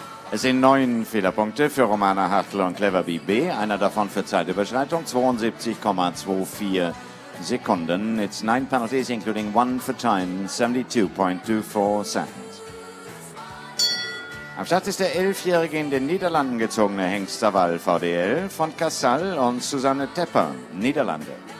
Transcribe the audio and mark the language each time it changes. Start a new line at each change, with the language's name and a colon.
German: Es sind 9 Fehlerpunkte für Romana Hartl und Clever BB, einer davon für Zeitüberschreitung, 72,24 Sekunden.
English: It's 9 penalties, including one for time, 72,24 seconds.
German: Am Start ist der 11-jährige in den Niederlanden gezogene Hengst Zawal VDL von Kassal und Susanne Tepper, Niederlande.